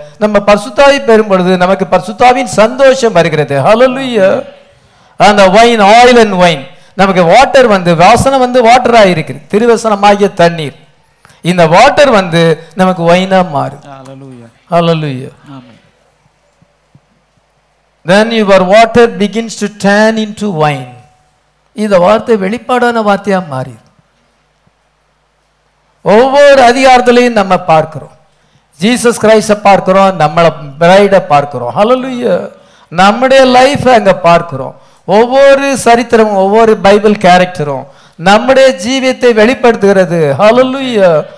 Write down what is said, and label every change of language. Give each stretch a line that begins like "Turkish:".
Tamil: நம்ம பரிசுத்தாவி பெறும் பொழுது நமக்கு பரிசுத்தாவின் சந்தோஷம் வருகிறது. ஹல்லேலூயா. அந்த ஒயின்,
English: oil and wine,
Tamil: நமக்கு வாட்டர் வந்து, வாசனை வந்து வாட்டராக இருக்குது, திருவசனமாகிய தண்ணீர். இந்த வாட்டர் வந்து நமக்கு ஒயினாக மாறும். ஹல்லேலூயா.
English: Then your water begins to turn into wine.
Tamil: இந்த வார்த்தை வெளிப்பாடான வார்த்தையாக மாறும். ஒவ்வொரு அதிகாரத்திலையும் நம்ம பார்க்கிறோம், ஜீசஸ் கிரைஸ்டை பார்க்கிறோம், நம்மளை பிரைடை பார்க்கிறோம். ஹல்லேலூயா. நம்முடைய லைஃபை அங்கே பார்க்கிறோம். ஒவ்வொரு சரித்திரமும், ஒவ்வொரு பைபிள் கேரக்டரும் நம்முடைய ஜீவியத்தை வெளிப்படுத்துகிறது. ஹல்லேலூயா.